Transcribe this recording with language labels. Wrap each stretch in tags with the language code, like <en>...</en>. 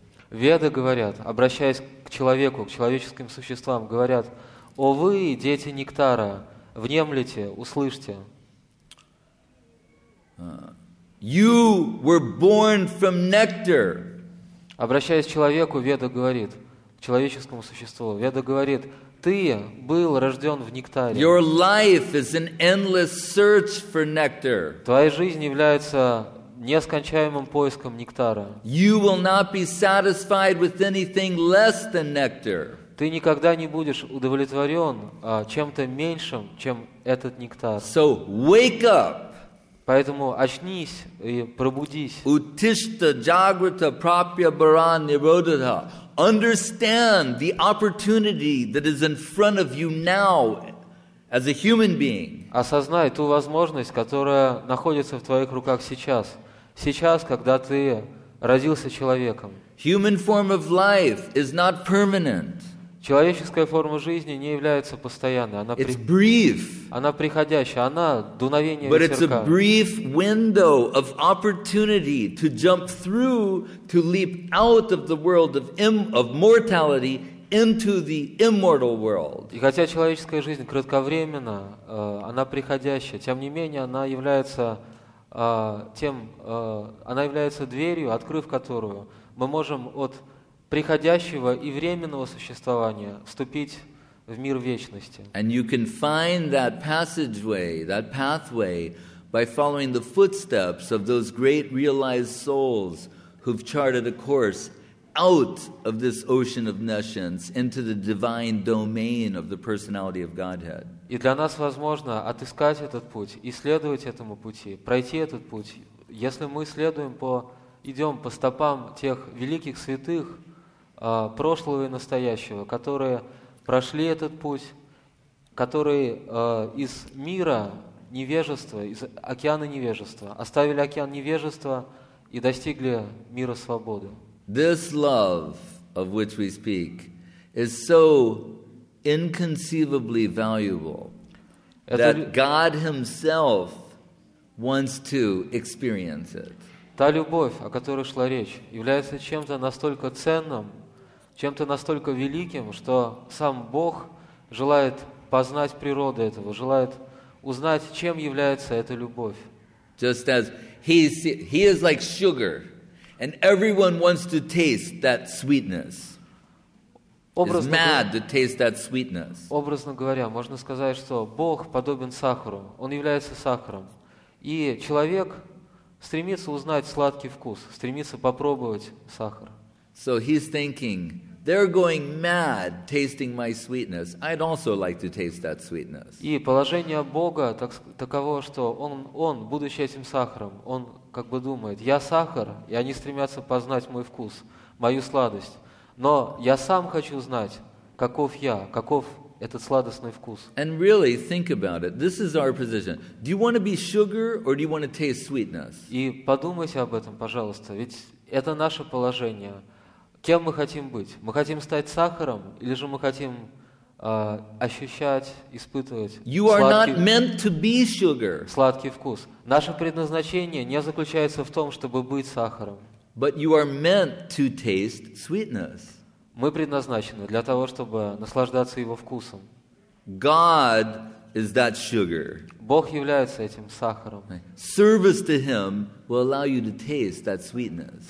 <ru>Веды говорят, обращаясь к человеку, к человеческим существам, говорят: о вы, дети нектара, внемлите, услышьте.</ru> <en>You were born from nectar.</en> <ru>Обращаясь к человеку, Веда говорит, к человеческому существу, Веда говорит: ты был рожден в нектаре.</ru> <en>Your life is an endless search for nectar.</en> <ru>Твоя жизнь является нескончаемым поиском нектара.</ru> <en>You will not be satisfied with anything less than nectar.</en> <ru>Ты никогда не будешь удовлетворен чем-то меньшим, чем этот нектар.</ru> <en>So wake up.</en> <ru>Поэтому очнись и пробудись.</ru> <sa>Утишта джаграта прапья баран нирудха.</sa> <en>Understand the opportunity that is in front of you now as a human being.</en> <ru>Осознай ту возможность, которая находится в твоих руках сейчас. Сейчас, когда ты родился человеком.</ru> <en>Human form of life is not permanent.</en> <ru>Человеческая форма жизни не является постоянной. Она</ru> <en>it's brief.</en> <ru>Она приходящая, она дуновение</ru> <en>but</en> <ru>ветерка.</ru> <en>It's a brief window of opportunity to jump through, to leap out of the world of mortality into the immortal world.</en> <ru>И хотя человеческая жизнь кратковременна, она приходящая, тем не менее она является она является дверью, открыв которую, мы можем от приходящего и временного существования вступить в мир вечности.</ru> <en>And you can find that passageway, that pathway, by following the footsteps of those great realized souls who've charted a course out of this ocean of nescience into the divine domain of the personality of Godhead.</en> <ru>И для нас возможно отыскать этот путь, исследовать этому пути, пройти этот путь, если мы следуем по идем по стопам тех великих святых прошлого и настоящего, которые прошли этот путь, которые из мира невежества, из океана невежества, оставили океан невежества и достигли мира свободы.</ru> <en>This love, of which we speak, is so inconceivably valuable that God himself wants to experience it.</en> <ru>Та любовь, о которой шла речь, является чем-то настолько ценным, чем-то настолько великим, что сам Бог желает познать природу этого, желает узнать, чем является эта любовь.</ru> <en>Just as he is like sugar, and everyone wants to taste that sweetness.</en> <ru>Образно,</ru> <en>is mad to taste that sweetness.</en> <ru>Образно говоря, можно сказать, что Бог подобен сахару, он является сахаром, и человек стремится узнать сладкий вкус, стремится попробовать сахар.</ru> <en>So he's thinking, they're going mad tasting my sweetness. I'd also like to taste that sweetness.</en> <ru>И положение Бога таково, что он будучи этим сахаром, он как бы думает, я сахар, и они стремятся познать мой вкус, мою сладость. Но я сам хочу знать, каков я, каков этот сладостный вкус.</ru> <en>And really think about it. This is our position. Do you want to be sugar or do you want to taste sweetness?</en> <ru>И подумайте об этом, пожалуйста, ведь это наше положение. Кем мы хотим быть? Мы хотим стать сахаром или же мы хотим ощущать, испытывать</ru> <en>you are not meant to be sugar.</en> <ru>Сладкий вкус? Наше предназначение не заключается в том, чтобы быть сахаром.</ru> <en>But you are meant to taste sweetness.</en> <ru>Мы предназначены для того, чтобы наслаждаться его вкусом.</ru> <en>God is that sugar.</en> <ru>Бог является этим сахаром.</ru> <en>Service to him will allow you to taste that sweetness.</en>